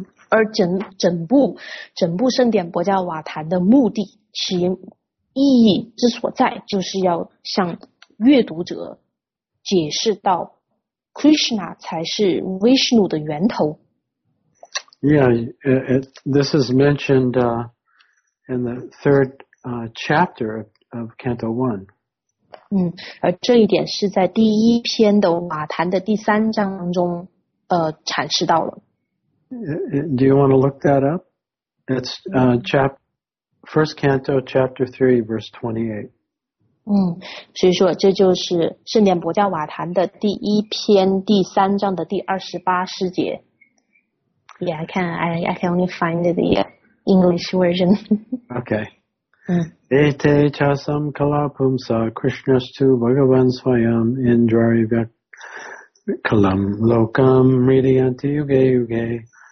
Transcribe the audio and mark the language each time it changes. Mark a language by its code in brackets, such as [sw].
[zh] 而整部圣典薄伽瓦坛的目的其意义之所在，就是要向阅读者解释到 Krishna 才是 Vishnu 的源头。 [en] This is mentioned in the third chapter of Canto 1. [zh] 而这一点是在第一篇的瓦坛的第三章当中阐释到了。 [en] Do you want to look that up? It's First Canto, Chapter 3, Verse 28. [zh] 所以说这就是圣典薄伽瓦坛的第一篇第三章的第28诗节。 [en] Yeah, I can only find the English version. [sa] Okay. Ete chasam kalapumsa krishnastu bhagavan swayam indrarivya kalam lokam mridiyanti yuge yuge.